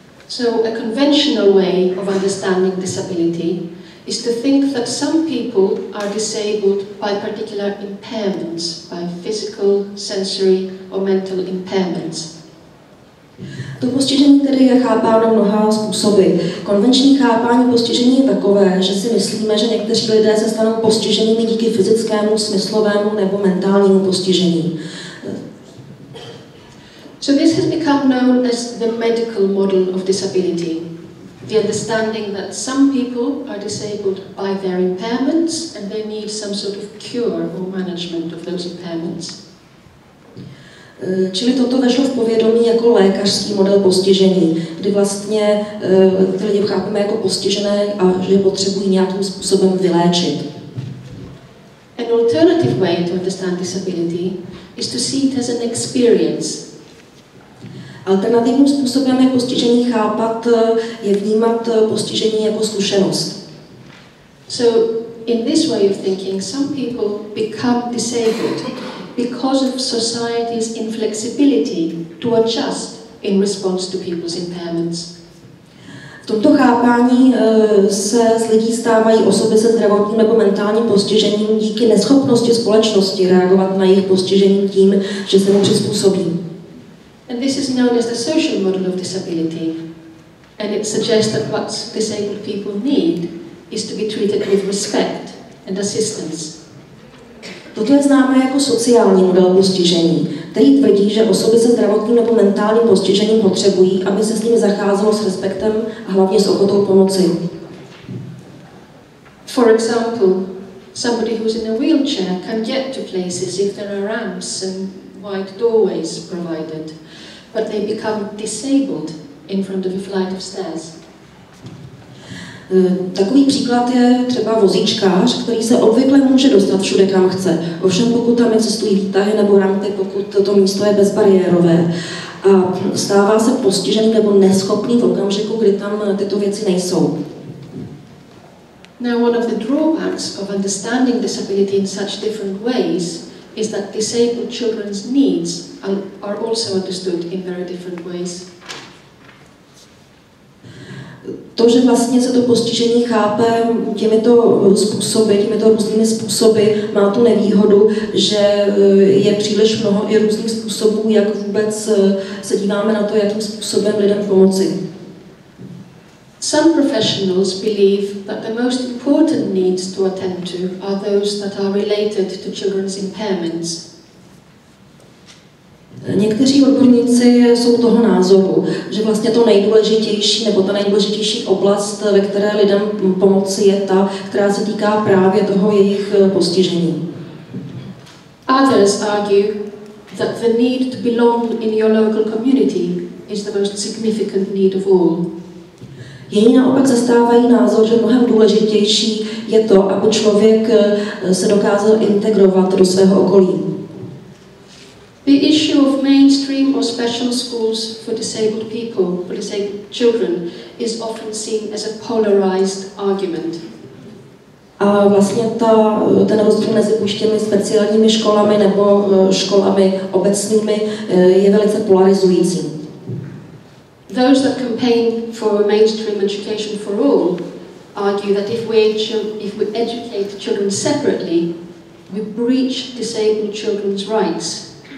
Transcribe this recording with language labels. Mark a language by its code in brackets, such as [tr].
[en] So a conventional way of understanding disability is to think that some people are disabled by particular impairments, by physical, sensory or mental impairments. [cs] To postižení tedy je chápáno mnoha způsoby. Konvenční chápání postižení je takové, že si myslíme, že někteří lidé se stanou postiženými díky fyzickému, smyslovému nebo mentálnímu postižení. [en] So this has become known as the medical model of disability. The understanding that some people are disabled by their impairments and they need some sort of cure or management of those impairments. [cs] Čili toto vešlo v povědomí jako lékařský model postižení, kdy vlastně ty lidi chápeme jako postižené a že je potřebují nějakým způsobem vyléčit. [en] An alternative way to understand disability is to see it as an experience. [cs] Alternativním způsobem je postižení chápat, je vnímat postižení jako zkušenost. [en] So in this way of thinking, some people become disabled because of society's inflexibility to adjust in response to people's impairments. [cs] V tomto chápání se z lidí stávají osoby se zdravotním nebo mentálním postižením díky neschopnosti společnosti reagovat na jejich postižení tím, že se mu přizpůsobí. [en] And this is known as the social model of disability. And it suggests that what disabled people need is to be treated with respect and assistance. [cs] Toto je známé jako sociální model postižení, který tvrdí, že osoby se zdravotním nebo mentálním postižením potřebují, aby se s nimi zacházelo s respektem a hlavně s ochotou pomoci. [en] For example, somebody who's in a wheelchair can get to places if there are ramps and wide doorways provided, but they become disabled in front of a flight of stairs. [cs] Takový příklad je třeba vozíčkář, který se obvykle může dostat všude, kam chce. Ovšem, pokud tam existují výtahy nebo rampy, pokud to místo je bezbariérové a stává se postižený nebo neschopný v okamžiku, kdy tam tyto věci nejsou. [en] Now one of the drawbacks of understanding disability in such different ways is that disabled children's needs are also understood in very different ways. [cs] To, že vlastně se to postižení chápe těmito způsoby, těmito různými způsoby, má tu nevýhodu, že je příliš mnoho i různých způsobů, jak vůbec se díváme na to, jakým způsobem lidem pomoci. [en] Some professionals believe that the most important needs to attend to are those that are related to children's impairments. [cs] Někteří odborníci jsou toho názoru, že vlastně to nejdůležitější nebo ta nejdůležitější oblast, ve které lidem pomoci, je ta, která se týká právě toho jejich postižení. [en] Others argue that the need to belong in your local community is the most significant need of all. [cs] Jiní naopak zastávají názor, že mnohem důležitější je to, aby člověk se dokázal integrovat do svého okolí. [en] The issue of mainstream or special schools for disabled people, for disabled children, is often seen as a polarized argument. [cs] A vlastně ten rozdíl mezi puštěmi speciálními školami nebo školami obecnými je velice polarizující. [en] Those that campaign for a mainstream education for all argue that if we educate children separately, we breach disabled children's rights.